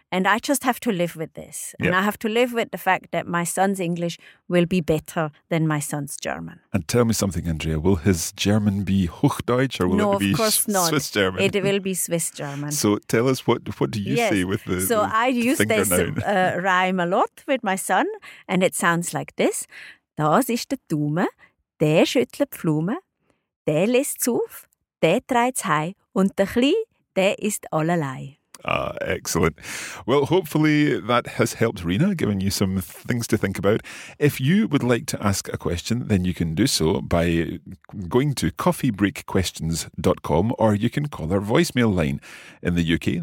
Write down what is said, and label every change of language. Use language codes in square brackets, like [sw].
[en] And I just have to live with this. Yep. And I have to live with the fact that my son's English will be better than my son's German. And tell me something, Andrea, will his German be Hochdeutsch or will no, it be Swiss German? It will be Swiss German. So tell us, what do you yes, say with the So the I use this rhyme a lot with my son and it sounds like this. [gsw] Das ist der Dume, der schüttelt Pflume, der lässt zuf, der treibt's hei und der Kli, der ist allerlei. [en] Ah, excellent. Well, hopefully that has helped, Rina, giving you some things to think about. If you would like to ask a question, then you can do so by going to coffeebreakquestions.com or you can call our voicemail line in the UK.